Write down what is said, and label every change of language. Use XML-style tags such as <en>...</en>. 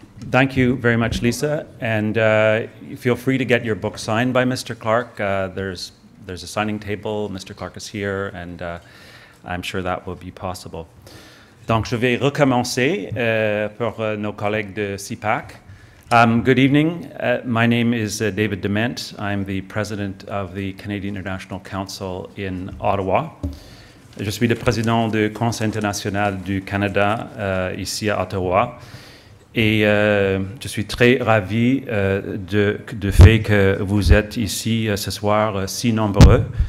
<en>Thank you very much, Lisa. And feel free to get your book signed by Mr. Clark. There's a signing table. Mr. Clark is here, and I'm sure that will be possible.</en> <fr>Donc, je vais recommencer pour nos collègues de CPAC.</fr> <en>Good evening. My name is David Dement. I'm the president of the Canadian International Council in Ottawa.</en> <fr>Je suis le président du Conseil international du Canada ici à Ottawa. Et je suis très ravi de fait que vous êtes ici ce soir si nombreux.</fr>